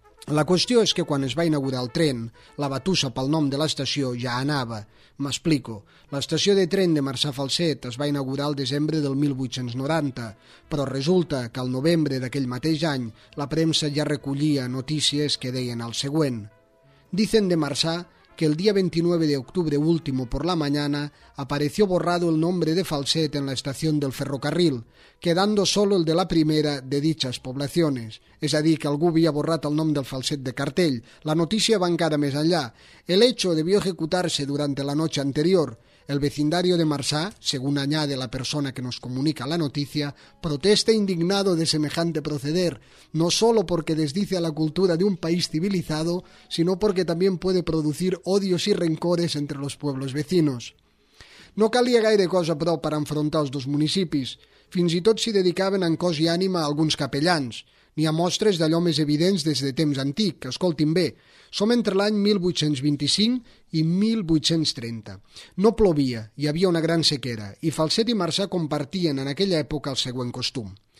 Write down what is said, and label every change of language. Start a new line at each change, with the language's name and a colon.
Catalan: La qüestió és que quan es va inaugurar el tren, la batussa pel nom de l'estació ja anava. M'explico. L'estació de tren de Marçà-Falset es va inaugurar el desembre del 1890, però resulta que al novembre d'aquell mateix any la premsa ja recollia notícies que deien el següent.
Spanish: Dicen de Marçà que el dia 29 de octubre último por la mañana apareció borrado el nombre de Falset en la estación del ferrocarril, quedando solo el de la primera de dichas poblaciones.
Catalan: És a dir, que algú havia borrat el nom del Falset de cartell. La notícia va encara més enllà.
Spanish: El hecho debió ejecutarse durante la noche anterior. El vecindario de Marçà, según añade la persona que nos comunica la noticia, protesta indignado de semejante proceder, no solo porque desdice a la cultura de un país civilizado, sino porque también puede producir odios y rencores entre los pueblos vecinos.
Catalan: No calia gaire cosa, però, per enfrontar els dos municipis. Fins i tot s'hi dedicaven en cos i ànima a alguns capellans. N'hi ha mostres d'allò més evidents des de temps antic, escoltin bé. Som entre l'any 1825 i 1830. No plovia, hi havia una gran sequera, i Falset i Marçà compartien en aquella època el següent costum.